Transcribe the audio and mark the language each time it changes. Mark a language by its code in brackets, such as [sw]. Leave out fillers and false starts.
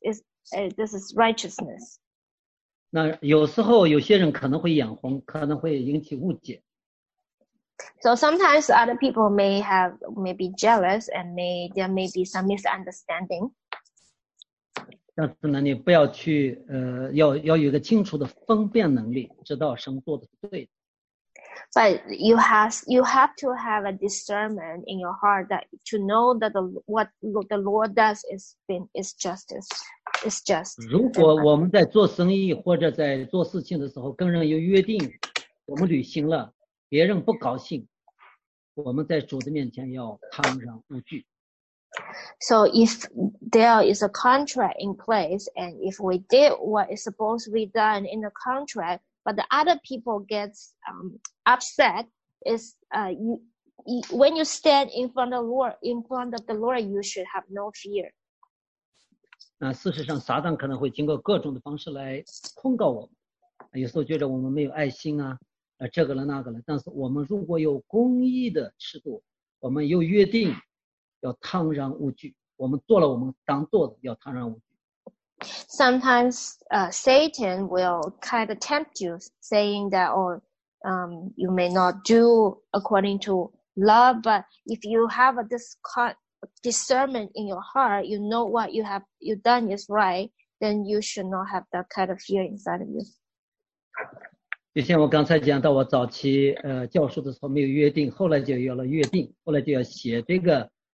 [en] This is righteousness. [zh] 那有时候有些人可能会眼红，可能会引起误解。 [en] So sometimes other people may be jealous, and there may be some misunderstanding. [zh] 但是呢，你不要去，要有一个清楚的分辨能力，知道神做的是对的。 [en] But you have to have a discernment in your heart that to know that what the Lord does is justice, is just. [zh] 如果我们在做生意或者在做事情的时候跟人有约定，我们履行了，别人不高兴，我们在主的面前要坦然无惧。 [en] So if there is a contract in place, and if we did what is supposed to be done in the contract, but the other people gets upset, is when you stand in front of the Lord, in front of the Lord, you should have no fear. [zh] 那事实上，撒旦可能会经过各种的方式来控告我们，有时候觉得我们没有爱心啊，这个了那个了。但是我们如果有公义的尺度，我们有约定。要坦然无惧，我们做了我们当做的，要坦然无惧。 [en] Sometimes, Satan will kind of tempt you, saying that, you may not do according to love, but if you have a discernment in your heart, you know what you done is right, then you should not have that kind of fear inside of you. [zh] 就像我刚才讲到，我早期教书的时候没有约定，后来就有了约定，后来就要写这个。